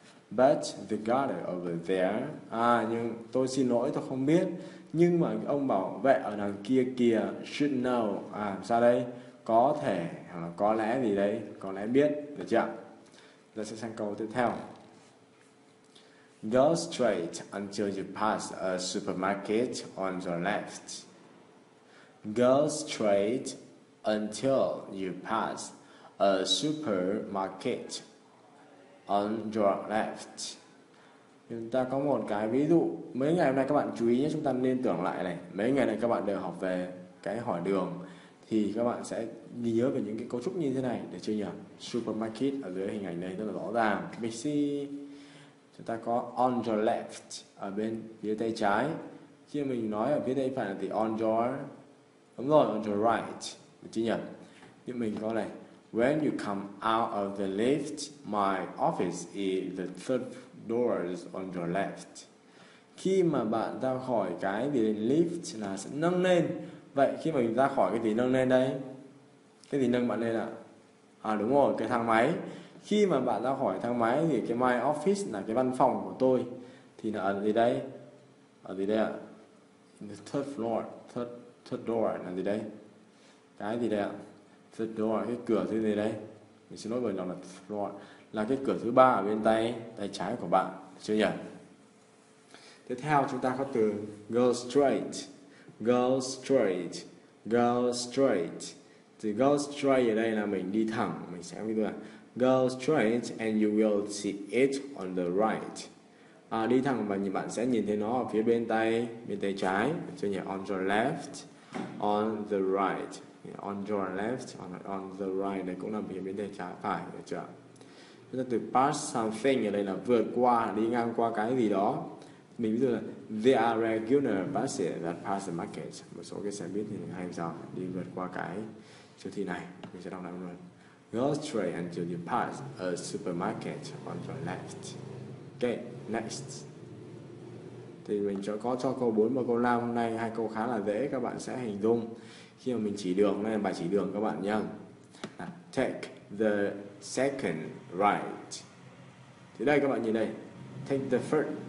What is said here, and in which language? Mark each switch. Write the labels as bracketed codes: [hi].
[en] But the garter over there. [vi] À, nhưng tôi xin lỗi, tôi không biết. Nhưng mà ông bảo vệ ở đằng kia kia [en] should know. [vi] À, sao đây? Có thể hoặc là có lẽ gì đấy? Có lẽ biết, được chưa? Giờ sẽ sang câu tiếp theo. [en] Go straight until you pass a supermarket on your left. Go straight until you pass a supermarket on your left. [vi] Chúng ta có một cái ví dụ. Mấy ngày hôm nay các bạn chú ý nhé, chúng ta nên tưởng lại này. Mấy ngày này các bạn đều học về cái hỏi đường, thì các bạn sẽ ghi nhớ về những cái cấu trúc như thế này, để chưa nhỉ? Supermarket ở dưới hình ảnh này rất là rõ ràng. Messi. Chúng ta có on your left ở bên phía tay trái. Khi mình nói ở phía tay phải thì on your, đúng rồi, [en] on your right, [vi] được chưa nhỉ? Nhưng mình có này, [en] when you come out of the lift, my office is the third door on your left. [vi] Khi mà bạn ra khỏi cái gì đây, lift là sẽ nâng lên. Vậy khi mà mình ra khỏi cái gì nâng lên đây? Cái gì nâng bạn lên ạ? À? À đúng rồi, cái thang máy. Khi mà bạn ra khỏi thang máy thì cái my office là cái văn phòng của tôi. Thì là ở gì đây? Ở gì đây ạ? [en] The third floor, third door [vi] là gì đây? Cái gì đây ạ? The door, cái cửa thứ gì đây? Mình xin lỗi bởi nó là floor. Là cái cửa thứ ba ở bên tay trái của bạn, chưa nhỉ? Tiếp theo chúng ta có từ go straight. [en] Go straight. Go straight. [vi] Thì go straight ở đây là mình đi thẳng. Mình sẽ ví dụ là [en] go straight and you will see it on the right. [vi] À, đi thẳng và bạn sẽ nhìn thấy nó ở phía bên tay trái, chưa nhỉ? [en] On your left, on the right. On your left, on the right [vi] đây cũng là phía bên tay trái phải, được chưa? Chúng ta từ pass something ở đây là vượt qua, đi ngang qua cái gì đó. Mình ví dụ là [en] there are regular buses that pass the market. [vi] Một số cái xe buýt thì hay sao đi vượt qua cái siêu thị này. Mình sẽ đọc lại một lần. [en] Go straight until you pass a supermarket on your left. Okay, next. [vi] Thì mình cho có cho câu 4 và câu 5 hôm nay, hai câu khá là dễ, các bạn sẽ hình dung. Khi mà mình chỉ đường, đây là bài chỉ đường các bạn nhá. [en] Take the second right. [vi] Thì đây các bạn nhìn đây. [en] Take the first.